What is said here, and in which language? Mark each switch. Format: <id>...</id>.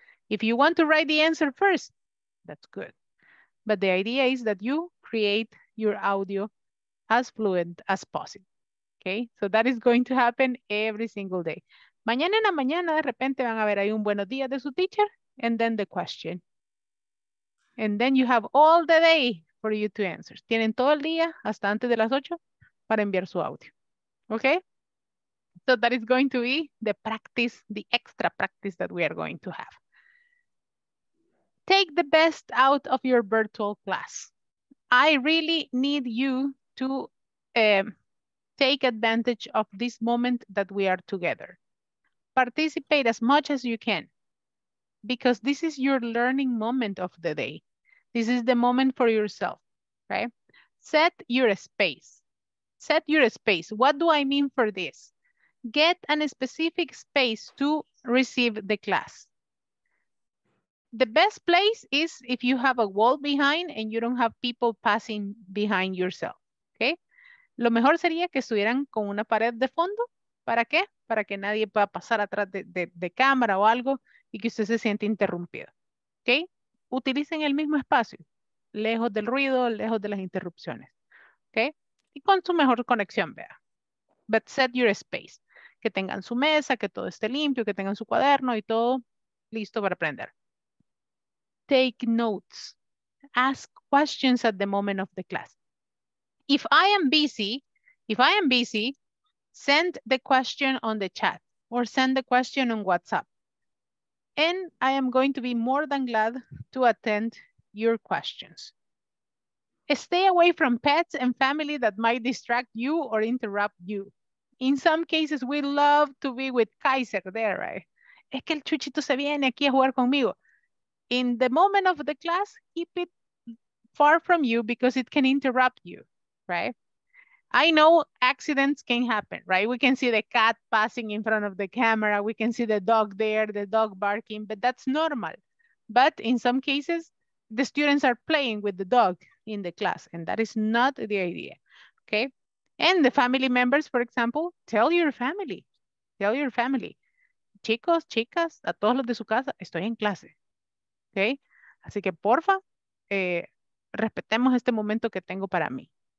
<en>If you want to write the answer first, that's good. But the idea is that you create your audio as fluent as possible. Okay, so that is going to happen every single day.</en> <es>Mañana en la mañana, de repente van a ver ahí un buenos días de su teacher,</es> <en>and then the question. And then you have all the day for you to answer.</en> <es>Tienen todo el día hasta antes de las 8 para enviar su audio.</es> <en>Okay, so that is going to be the practice, the extra practice that we are going to have. Take the best out of your virtual class. I really need you to take advantage of this moment that we are together. Participate as much as you can, because this is your learning moment of the day. This is the moment for yourself, right? Set your space. Set your space. What do I mean for this? Get a specific space to receive the class. the best place is if you have a wall behind and you don't have people passing behind yourself, okay?</en> <es>Lo mejor sería que estuvieran con una pared de fondo. ¿Para qué? Para que nadie pueda pasar atrás de cámara o algo y que usted se siente interrumpido, okay? Utilicen el mismo espacio, lejos del ruido, lejos de las interrupciones, okay? Y con su mejor conexión, vea.</es> <en>But set your space.</en> <es>Que tengan su mesa, que todo esté limpio, que tengan su cuaderno y todo listo para aprender.</es> <en>Take notes. Ask questions at the moment of the class. If I am busy, send the question on the chat or send the question on WhatsApp. And I am going to be more than glad to attend your questions. Stay away from pets and family that might distract you or interrupt you. In some cases, we love to be with Kaiser there, right?</en> <es>Es que el chuchito se viene aquí a jugar conmigo.</es> <en>In the moment of the class, keep it far from you because it can interrupt you, right? I know accidents can happen, right? We can see the cat passing in front of the camera. We can see the dog there, the dog barking, but that's normal. But in some cases, the students are playing with the dog in the class, and that is not the idea, okay? And the family members, for example, tell your family.</en> <es>Chicos, chicas, a todos los de su casa, estoy en clase, okay? Así que porfa, respetemos este momento que tengo para mí.</es>